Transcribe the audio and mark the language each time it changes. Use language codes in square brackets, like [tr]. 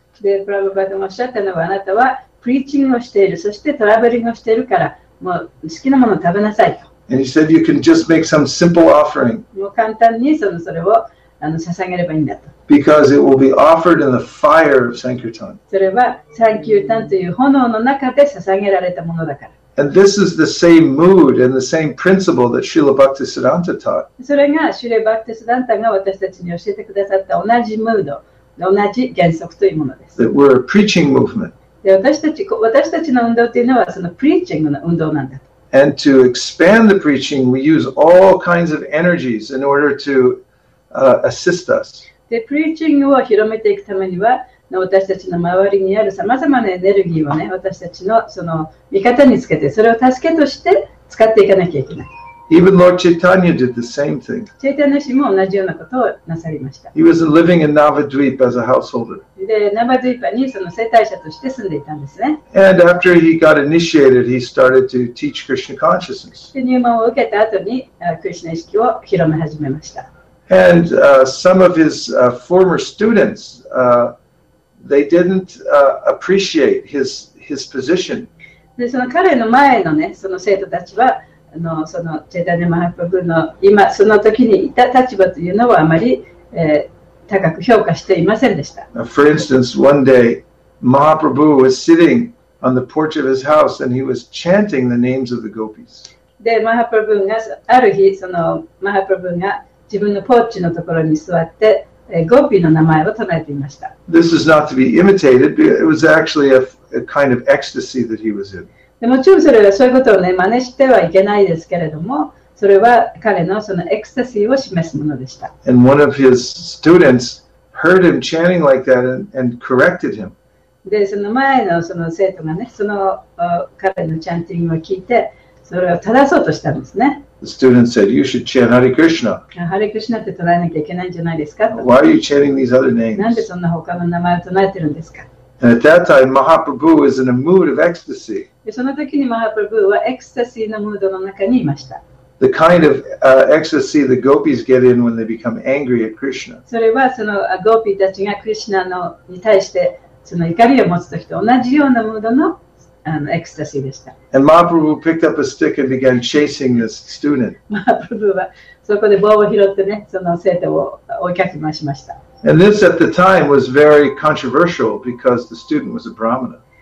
[ja] で、プラブパダもおっしゃったのは、あなたはプリーチングをしている、そしてトラベリングをしているから、もう好きなものを食べなさいと。 [en] And he said you can just make some simple offering. [ja] もう簡単にそのそれを捧げればいいんだと。 [en] Because it will be offered in the fire of Sankirtan. [ja] それはサンキュータンという炎の中で捧げられたものだから。 [en] And this is the same mood and the same principle that Srila Bhaktisiddhanta taught. [ja] それがシュレ・バクティ・シダンタが私たちに教えてくださった同じムード、同じ原則というものです。 [en] That we're a preaching movement. [ja] で、私たちの運動というのはそのプリーチングの運動なんだと。 [en] And to expand the preaching, we use all kinds of energies in order to assist us. [ja] で、プリーチングを広めていくためには、私たちの周りにあるさまざまなエネルギーをね、私たちのその味方につけて、それを助けとして使っていかなきゃいけない。 [en] Even Lord Chaitanya did the same thing. [ja] チェイタニア氏も同じようなことをなさりました。 [en] He was living in Navadvip as a householder. [ja] で、ナバドゥイパにその世帯者として住んでいたんですね。 [en] And after he got initiated, he started to teach Krishna consciousness. [ja] で、入門を受けた後に、クリシナ意識を広め始めました。 [en] And some of his former students, they didn't appreciate his position. [ja] で、その彼の前のね、その生徒たちは、そのチェタニヤ・マハプラブーの今その時にいた立場というのをあまり、高く評価していませんでした。 [en] Now, for instance, one day, Mahaprabhu was sitting on the porch of his house and he was chanting the names of the gopis. [ja] で、マハプラブーがある日、そのマハプラブーが自分のポーチのところに座って、ゴピの名前を唱えていました。 [en] This is not to be imitated, but it was actually a kind of ecstasy that he was in. [ja] でもちろんそれはそういうことをね、真似してはいけないですけれども、それは彼のそのエクスタシーを示すものでした。 [en] And one of his students heard him chanting like that and corrected him. [ja] で、その前のその生徒がね、その彼のチャンティングを聞いて、それを正そうとしたんですね。 [en] The student said, you should chant Hare Krishna. [ja] Hare Krishna って唱えなきゃいけないんじゃないですか? [en] Why are you chanting these other names? [ja] なんでそんな他の名前を唱えてるんですか? [en] And at that time, Mahaprabhu was in a mood of ecstasy. [ja] その時に Mahaprabhu はエクスタシーのムードの中にいました。 [en] The kind of ecstasy the gopis get in when they become angry at Krishna. [ja] それはそのゴピたちがクリシナのに対してその怒りを持つ時と同じようなムードのエクスタシーでした。 [en] And Mahaprabhu picked up a stick and began chasing this student. [ja] Mahaprabhu はそこで棒を拾ってね、その生徒を追いかけ回しました。 [en] And this at the time was very controversial because the student was a brahmana.